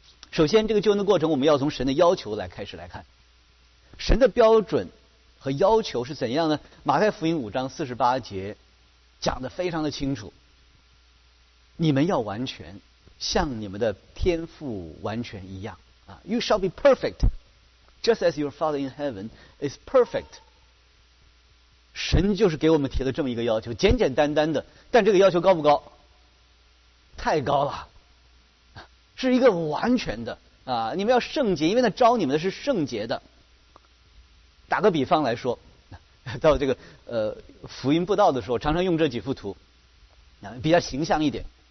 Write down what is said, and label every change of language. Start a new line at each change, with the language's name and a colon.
Chinese: 首先，这个救恩的过程，我们要从神的要求来开始来看。神的标准和要求是怎样呢？马太福音5:48讲得非常的清楚。你们要完全，像你们的天父完全一样。
English: You shall be perfect, just as your Father in heaven is perfect.
Chinese: 神就是给我们提了这么一个要求，简简单单的，但这个要求高不高？太高了，是一个完全的啊！你们要圣洁，因为他招你们的是圣洁的。打个比方来说，到这个福音布道的时候，常常用这几幅图，比较形象一点。